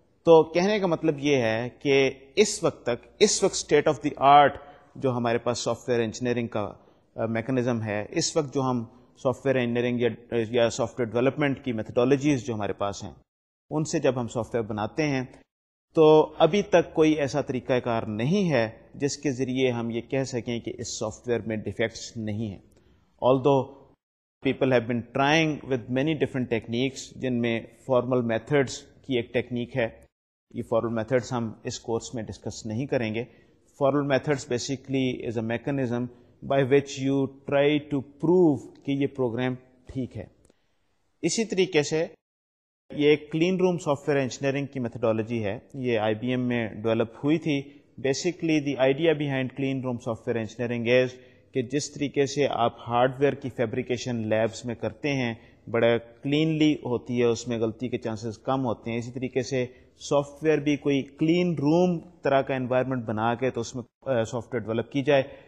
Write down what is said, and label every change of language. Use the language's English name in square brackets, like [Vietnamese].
[Urdu] تو کہنے کا مطلب یہ ہے کہ اس وقت تک, اس وقت اسٹیٹ آف دی آرٹ جو ہمارے پاس سافٹ ویئر انجینئرنگ کا میکانزم ہے, اس وقت جو ہم سافٹ ویئر انجینئرنگ یا سافٹ ویئر ڈیولپمنٹ کی میتھڈالوجیز جو ہمارے پاس ہیں ان سے جب ہم سافٹ ویئر بناتے ہیں, تو ابھی تک کوئی ایسا طریقہ کار نہیں ہے جس کے ذریعے ہم یہ کہہ سکیں کہ اس سافٹ ویئر میں ڈیفیکٹس نہیں ہیں. [English] Although people have been trying with many different techniques, [Urdu] جن میں فارمل میتھڈس کی ایک ٹیکنیک ہے, یہ فارمل میتھڈس ہم اس کورس میں ڈسکس نہیں کریں گے. [English] formal methods basically is a mechanism by which you try to prove [Urdu] کہ یہ پروگرام ٹھیک ہے. اسی طریقے سے یہ ایک کلین روم سافٹ ویئر انجینئرنگ کی میتھڈالوجی ہے, یہ آئی بی ایم میں ڈیولپ ہوئی تھی. [English] basically the idea behind clean room software engineering is [Urdu] کہ جس طریقے سے آپ ہارڈ ویئر کی فیبریکیشن لیبس میں کرتے ہیں, بڑا کلینلی ہوتی ہے, اس میں غلطی کے چانسز کم ہوتے ہیں, اسی طریقے سے سافٹ ویئر بھی کوئی کلین روم طرح کا انوائرمنٹ بنا کے تو اس میں سافٹ ویئر ڈیولپ کی جائے.